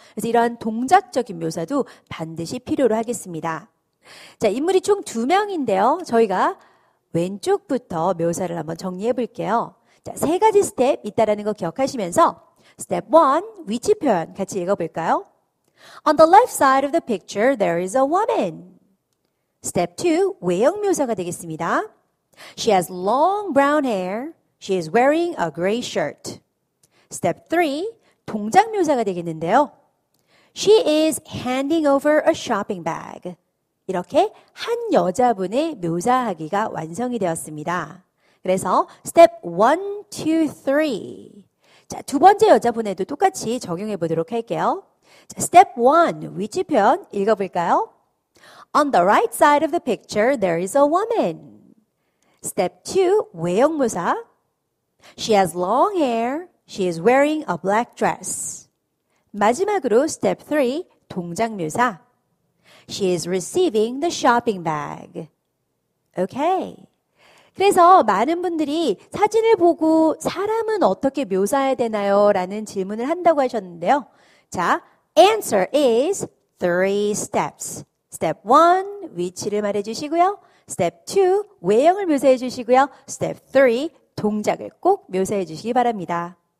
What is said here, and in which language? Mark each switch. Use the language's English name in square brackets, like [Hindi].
[Korean] 그래서 이러한 동작적인 묘사도 반드시 필요로 하겠습니다. 자, 인물이 총 두 명인데요. 저희가 왼쪽부터 묘사를 한번 정리해 볼게요. 자, 세 가지 스텝 있다라는 거 기억하시면서 스텝 1, 위치 표현 같이 읽어볼까요? [English] On the left side of the picture, there is a woman. [Korean] Step 2, 외형 묘사가 되겠습니다. [English] She has long brown hair. She is wearing a gray shirt. [Korean] Step 3, 동작 묘사가 되겠는데요. [English] She is handing over a shopping bag. [Korean] 이렇게 한 여자분의 묘사하기가 완성이 되었습니다. 그래서 Step 1, 2, 3. 자, 두 번째 여자분에도 똑같이 적용해 보도록 할게요. 자, Step 1, 위치 표현 읽어볼까요? [English] On the right side of the picture, there is a woman. Step 2, [Korean] 외형 묘사. [English] She has long hair. She is wearing a black dress. [Korean] 마지막으로 Step 3, 동작 묘사. [English] She is receiving the shopping bag. Okay. [Korean] 그래서 많은 분들이 사진을 보고 사람은 어떻게 묘사해야 되나요? 라는 질문을 한다고 하셨는데요. [English] 자, answer is 3 steps. [Korean] Step 1, 위치를 말해주시고요. Step 2, 외형을 묘사해주시고요. Step 3, 동작을 꼭 묘사해주시기 바랍니다.